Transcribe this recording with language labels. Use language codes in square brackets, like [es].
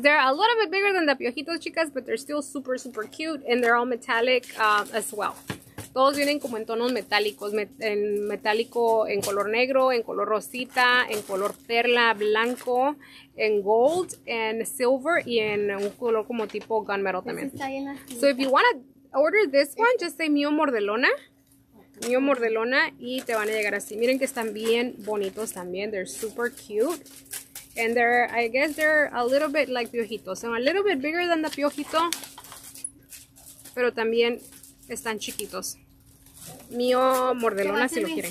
[en] They're a little bit bigger than the piojitos, chicas, but they're still super, super cute. And they're all metallic as well. [es] Todos vienen como en tonos metálicos. En metálico, en color negro, en color rosita, en color perla, blanco, en gold, en silver, y en un color como tipo gunmetal también. [en] So if you want to order this one, just say Mio Mordelona. [es] Mio Mordelona, y te van a llegar así. Miren que están bien bonitos también. [en] They're super cute. And they're a little bit like piojitos. So a little bit bigger than the piojito. [es] Pero también están chiquitos. Mio Mordelona, si lo quieren.